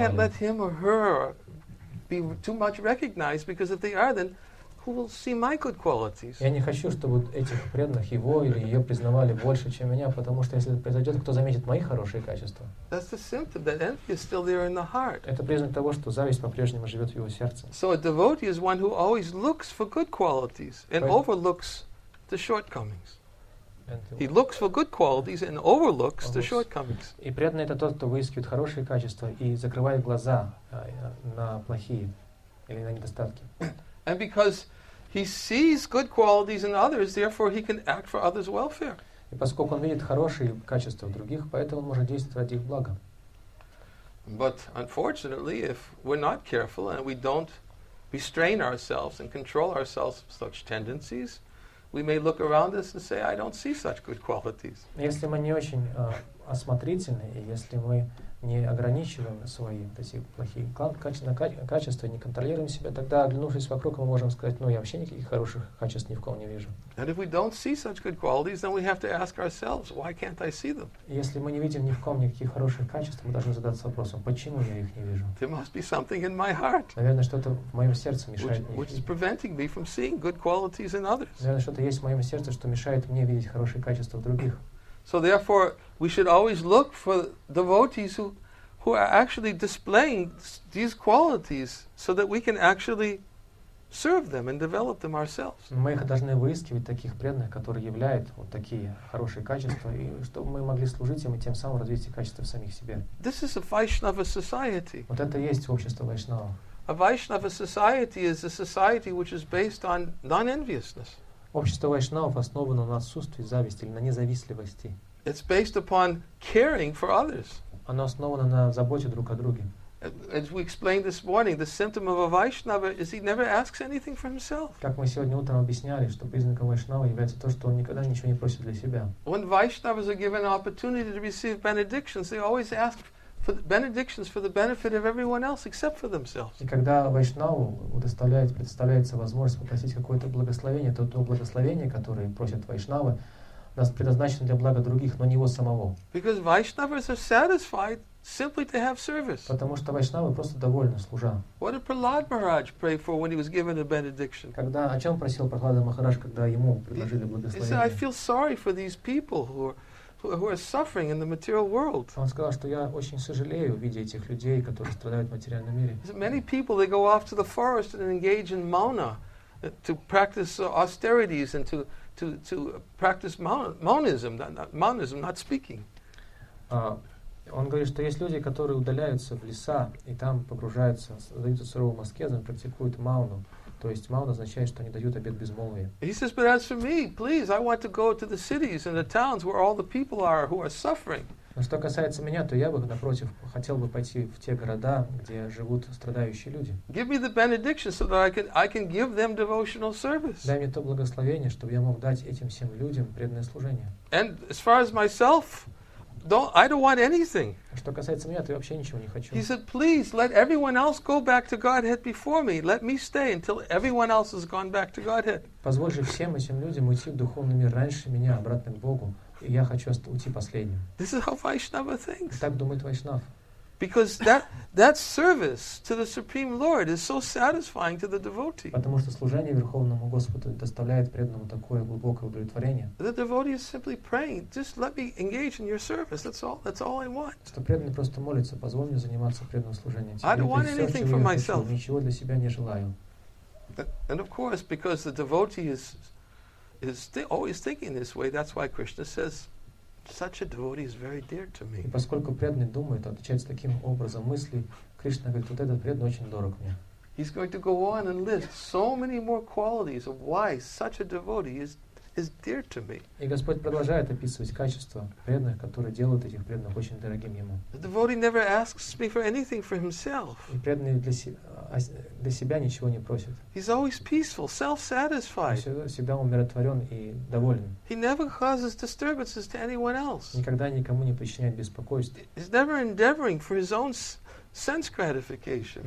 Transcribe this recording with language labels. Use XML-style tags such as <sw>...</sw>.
<en>I can't let him or her be too much recognized because if they are, then who will see my good qualities.</en> <ru>Я не хочу, чтобы этих преданных его или ее признавали больше, чем меня, потому что если это произойдет, кто заметит мои хорошие качества?</ru> <en>That's the symptom that envy is still there in the heart.</en> <ru>Это признак того, что зависть по-прежнему живет в его сердце.</ru> <en>So a devotee is one who always looks for good qualities and overlooks the shortcomings. He looks for good qualities and overlooks the shortcomings.</en> <ru>И преданный — это тот, кто выискивает хорошие качества и закрывает глаза на плохие или на недостатки.</ru> <en>And because he sees good qualities in others, therefore he can act for others' welfare.</en> <ru>И поскольку он видит хорошие качества в других, поэтому он может действовать ради их блага.</ru> <en>But unfortunately, if we're not careful and we don't restrain ourselves and control ourselves from such tendencies, we may look around us and say, I don't see such good qualities.</en> <ru>Если мы не очень осмотрительны, и если мы не ограничиваем свои эти плохие качества, не контролируем себя, тогда, оглянувшись вокруг, мы можем сказать, ну, я вообще никаких хороших качеств ни в ком не вижу.</ru> <en>And if we don't see such good qualities, then we have to ask ourselves, why can't I see them?</en> <ru>Если мы не видим ни в ком никаких хороших качеств, мы должны задаться вопросом, почему я их не вижу?</ru> <en>There must be something in my heart.</en> <ru>Наверное, что-то в моем сердце мешает мне.</ru> <en>Which is preventing me from seeing good qualities in others.</en> <ru>Наверное, что-то есть в моем сердце, что мешает мне видеть хорошие качества в других.</ru> <en>So therefore, we should always look for devotees who are actually displaying these qualities so that we can actually serve them and develop them ourselves.</en> <ru>Мы должны выискивать таких преданных, которые являют вот такие хорошие качества, и чтобы мы могли служить им и тем самым развить качества в самих себе.</ru> <en>This is a Vaishnava society.</en> <ru>Вот это есть общество Вайшнава.</ru> <en>A Vaishnava society is a society which is based on non-enviousness.</en> <ru>Общество Вайшнавов основано на отсутствии зависти или на независтливости.</ru> <en>It's based upon caring for others.</en> <ru>Оно основано на заботе друг о друге.</ru> <en>As we explained this morning, the symptom of a Vaishnava is he never asks anything for himself.</en> <ru>Как мы сегодня утром объясняли, что признаком Вайшнава является то, что он никогда ничего не просит для себя.</ru> <en>When Vaishnavas are given an opportunity to receive benedictions, they always ask for the benedictions for the benefit of everyone else except for themselves.</en> <ru>И когда Вайшнаву предоставляется возможность попросить какое-то благословение, то благословение, которое просят Вайшнавы, нас предназначено для блага других, но не его самого.</ru> <en>Because Vaishnavas are satisfied simply to have service.</en> <ru>Потому что Вайшнавы просто довольны, служа.</ru> <en>What did Prahlad Maharaj pray for when he was given a benediction?</en> <ru>Когда, о чем просил Прохлада Махарадж, когда ему предложили благословение?</ru> <en>He said, I feel sorry for these people who are suffering in the material world.</en> <ru>Он сказал, что я очень сожалею в виде этих людей, которые страдают в материальном мире.</ru> <en>Many people, they go off to the forest and engage in mauna, to practice austerities and to practice monism, not speaking.</en> <ru>Он говорит, что есть люди, которые удаляются в леса и там погружаются, задаются суровым аскезом, практикуют мауну. То есть мауна означает, что они дают обет безмолвия.</ru> <en>He says, but as for me, please, I want to go to the cities and the towns where all the people are who are suffering.</en> <ru>Но что касается меня, то я бы, напротив, хотел бы пойти в те города, где живут страдающие люди.</ru> <en>Give me the benediction so that I can give them devotional service.</en> <ru>Дай мне то благословение, чтобы я мог дать этим всем людям преданное служение.</ru> <en>And as far as myself, I don't want anything.</en> <ru>Что касается меня, то я вообще ничего не хочу.</ru> <en>He said, please, let everyone else go back to Godhead before me. Let me stay until everyone else has gone back to Godhead.</en> <ru>Позволь же всем этим людям уйти в духовный мир раньше меня, обратно к Богу. И я хочу уйти последним.</ru> <en>This is how Vaishnava thinks.</en> <ru>Так думает Вайшнав.</ru> <en>Because that service to the Supreme Lord is so satisfying to the devotee.</en> <ru>Потому что служение Верховному Господу доставляет преданному такое глубокое удовлетворение.</ru> <en>The devotee is simply praying, just let me engage in your service. That's all I want.</en> <ru>Что преданный просто молится, позволь мне заниматься преданным служением.</ru> <en>I don't want anything for myself.</en> <ru>Ничего для себя не желаю.</ru> <en>And of course, because the devotee is always thinking this way, that's why Krishna says, such a devotee is very dear to me.</en> <ru>И поскольку преданный думает, отвечает таким образом мысли, Кришна говорит, вот этот преданный очень дорог мне.</ru> <en>He's going to go on and list so many more qualities of why such a devotee is dear to me.</en> <ru>И Господь продолжает описывать качества преданных, которые делают этих преданных очень дорогим ему.</ru> <en>The devotee never asks me for anything for himself.</en> <ru>И преданный для себя ничего не просит.</ru> <en>He's always peaceful, self-satisfied.</en> <ru>Он всегда умиротворен и доволен.</ru> <en>He never causes disturbances to anyone else.</en> <ru>Никогда никому не причиняет беспокойств.</ru> <en>He's never endeavoring for his own sense gratification.</en>